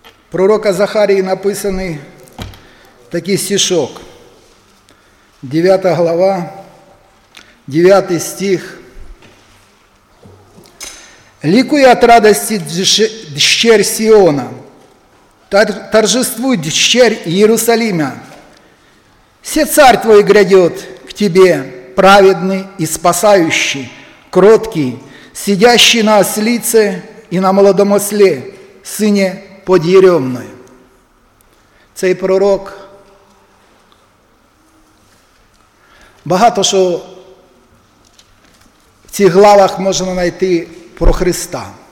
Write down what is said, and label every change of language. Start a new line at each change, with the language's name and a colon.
Ukrainian: Пророка Захарії написаний такий стишок.
Russian: 9 глава, 9 стих. Лікуй от радості дщер Сіона, торжествуй, дщер Иерусалима. Все царь твой грядет к тебе, праведный и спасающий, кроткий, сидящий на ослице и на молодом осле, сыне подъеремной.
Ukrainian: Цей пророк багато що в цих главах можна знайти про Христа.